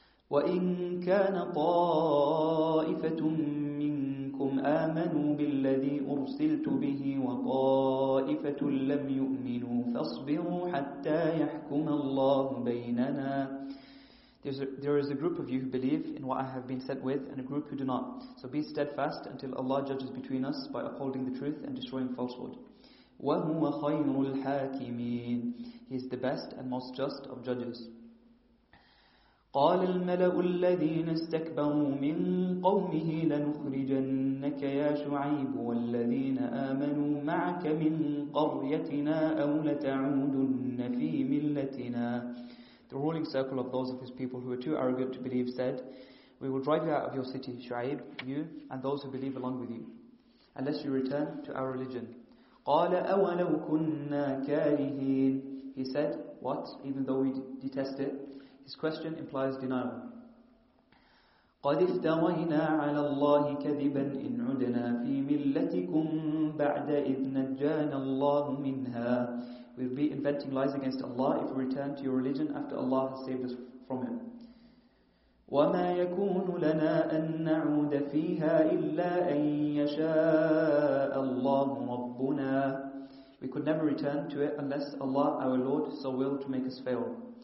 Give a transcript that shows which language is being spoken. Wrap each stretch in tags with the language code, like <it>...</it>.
<ar>وَإِنْ كَانَ طَائِفَةٌ مِّنْكُمْ آمَنُوا بِالَّذِي أُرْسِلْتُ بِهِ وَطَائِفَةٌ لَمْ يُؤْمِنُوا فَاصْبِرُوا حَتَّى يَحْكُمَ اللَّهُ بَيْنَنَا.</ar> <en>There is a group of you who believe in what I have been sent with, and a group who do not. So be steadfast until Allah judges between us by upholding the truth and destroying falsehood.</en> <ar>وَهُوَ خَيْرُ الْحَاكِمِينَ.</ar> <en>He is the best and most just of judges.</en> <ar>قال الملأ الذين استكبروا من قومه لنخرجنك يا شعيب والذين آمنوا معك من قريتنا أو لتعودن في ملتنا.</ar> <en>The ruling circle of those of his people who were too arrogant to believe said, we will drive you out of your city, Shu'ayb, you and those who believe along with you, unless you return to our religion.</en> <ar>قال أولو كنا كارهين.</ar> <en>He said, what, even though we detest it? His question implies denial.</en> <ar>قد افترينا على الله كذبا إن عدنا في ملتكم بعد إذ نجانا الله منها.</ar> <en>We'll be inventing lies against Allah if we return to your religion after Allah has saved us from it.</en> <ar>وَمَا يَكُونُ لَنَا أَن نَعُودَ فِيهَا إِلَّا أَن يَشَاءَ اللَّهُ رَبُّنَا.</ar> <en>We could never return to it unless Allah, our Lord, so willed to make us fail.</en>